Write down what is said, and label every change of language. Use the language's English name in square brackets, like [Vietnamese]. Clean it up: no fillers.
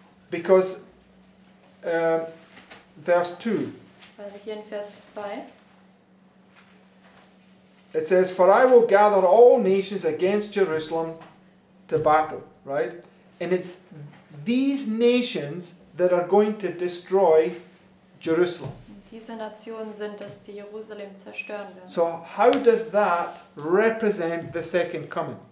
[English] Because verse 2. [German] Weil hier in Vers 2. [English] It says, "For I will gather all nations against Jerusalem to battle," right? And it's these nations that are going to destroy Jerusalem. [German] Diese Nationen sind es, die Jerusalem zerstören werden. [English] So how does that represent the second coming?